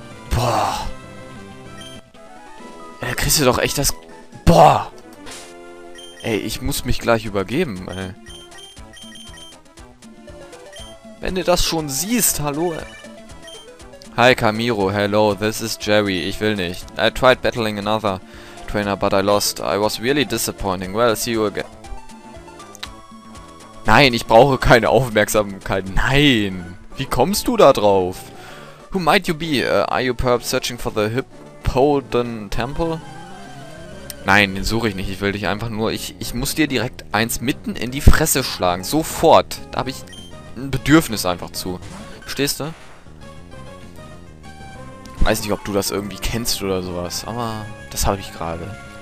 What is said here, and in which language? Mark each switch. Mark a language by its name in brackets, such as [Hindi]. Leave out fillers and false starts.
[German] Boah. Ey, kriegst du doch echt das... Boah. Ey, ich muss mich gleich übergeben, ey. Wenn du das schon siehst, hallo. [English] Hi, Camiro. Hello, this is Jerry. [German] Ich will nicht. [English] I tried battling another... Trainer, but I lost. I was really disappointing. Well, see you again. [German] Nein, ich brauche keine Aufmerksamkeit. Nein. Wie kommst du da drauf? [English] Who might you be? Are you perhaps searching for the Hippoden Temple? [German] Nein, den suche ich nicht. Ich will dich einfach nur... Ich muss dir direkt eins mitten in die Fresse schlagen. Sofort. Da habe ich ein Bedürfnis einfach zu. Verstehst du? Weiß nicht, ob du das irgendwie kennst oder sowas, aber das habe ich gerade.